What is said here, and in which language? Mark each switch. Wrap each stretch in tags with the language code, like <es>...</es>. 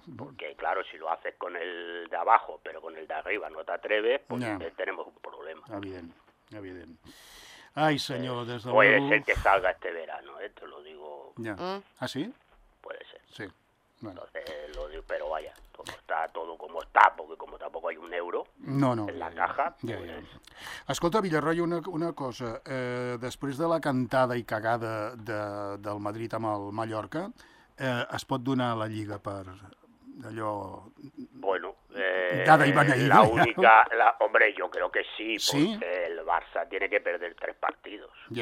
<es>Porque claro, si lo haces con el de abajo, pero con el de arriba no te atreves, pues tenemos un problema. Evidente. Ay, señor, desde luego... Puede ser que salga este verano, te lo digo... ¿Ah, sí? Puede ser. Sí. Entonces, lo digo, pero vaya, como está todo como está, porque como tampoco hay un euro en la caja.</es> <ca>Escolta, Villarroy, una cosa. Després de la cantada i cagada del Madrid amb el Mallorca, es pot donar la Lliga per allò... Bueno, dada i beneïda,</ca> <es>la única... Hombre,</es> <ca>jo crec que sí, ¿sí?</ca> <es>Porque el Barça tiene que perder 3 partidos.</es>